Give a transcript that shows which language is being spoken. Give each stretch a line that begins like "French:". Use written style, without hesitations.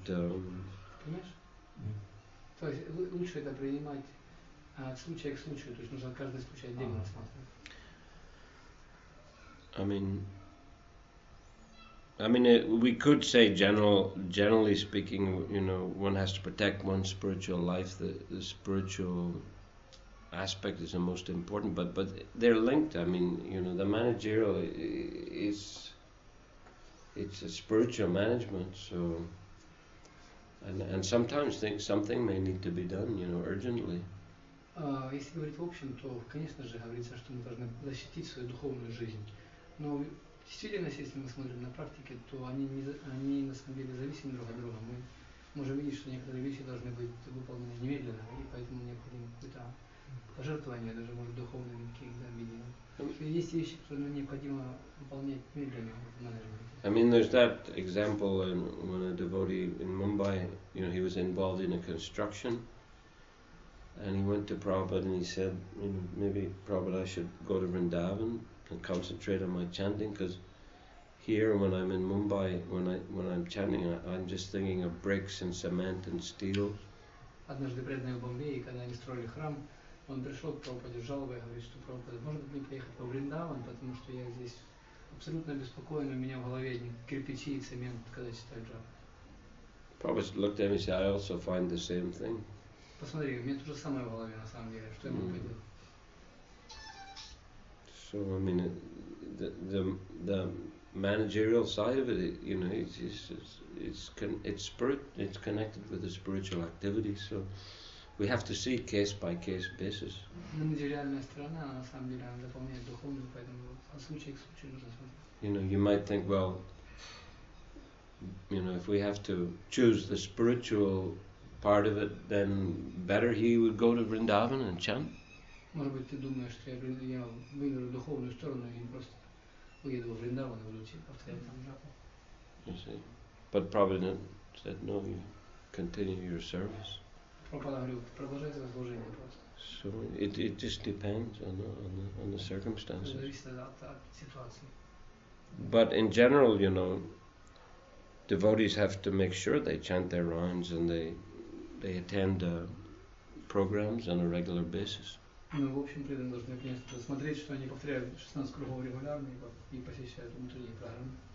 Russian: то есть лучше это принимать от случая к случаю, то есть нужно каждый случай отдельно смотреть.
English: I mean, we could say generally speaking, you know, one has to protect one's spiritual life. The spiritual aspect is the most important, but they're linked. I mean, you know, the managerial is, it's a spiritual management. So, and sometimes things, something may need to be done, you know, urgently.
Russian: Если говорить в общем, то, конечно же, говорится, что мы должны защитить свою духовную жизнь. Но действительно, если мы смотрим на практике, то они на самом деле зависимы друг от друга. Мы можем видеть, что некоторые вещи должны быть выполнены немедленно, и поэтому необходимо какое-то пожертвование, даже может духовными какими-то видениями. Есть вещи, которые необходимо выполнять медленно в менеджменте.
English: I mean, there's that example when a devotee in Mumbai, you know, he was involved in a construction. And he went to Prabhupada and he said, you know, maybe Prabhupada, I should go to Vrindavan and concentrate on my chanting, because here when I'm in Mumbai, when I'm chanting, I'm just thinking of bricks and cement and steel.
Russian: Однажды преданный в Бомбее, когда они строили храм, он пришел к Прабхупаде с жалобой, говорит, что Прабхупада, может мне поехать по Вриндаван, потому что я здесь абсолютно беспокоен, у меня в голове одни кирпичи и цемент, когда читаю джапу.
English: Прабхупада looked at me and said, I also find the same thing.
Russian: Посмотри, у меня то же самое в голове на самом деле, что я могу поделать.
English: So I mean, the managerial side of it, you know, it's connected with the spiritual activity. So we have to see case by case basis.
Russian: Managerialная сторона, она на самом деле она дополняет духовную, поэтому от случая к случаю нужно смотреть.
English: You know, you might think, well, you know, if we have to choose the spiritual part of it, then better he would go to Vrindavan and chant.
Russian: Может быть, ты думаешь, что я выберу духовную сторону и просто уеду в Вриндаван и буду повторять там джапу.
English: You see. But Prabhupada said, no, you continue your service.
Russian: Прабхупада говорил, продолжай свое служение просто.
English: So it just depends on the circumstances.
Russian: Зависит от ситуации.
English: But in general, you know, devotees have to make sure they chant their rounds and they attend programs on a regular basis.
Russian: Ну, в общем, преданные должны, конечно, смотреть, что они повторяют 16 кругов регулярно и посещают внутренние программы.